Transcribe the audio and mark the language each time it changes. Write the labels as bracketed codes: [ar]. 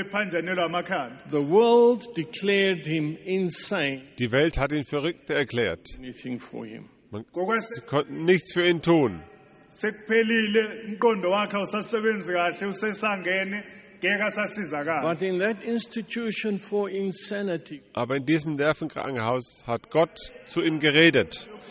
[en] The world declared him insane. [de] Die Welt hat ihn verrückt erklärt. [en] Anything for him. [de] Man konnte nichts für ihn tun. [zu] Sekuphelile umqondo wakhe usasebenzi kahle usesangene. [en] But in that institution for insanity, [de] aber in diesem Nervenkrankenhaus hat Gott zu ihm geredet.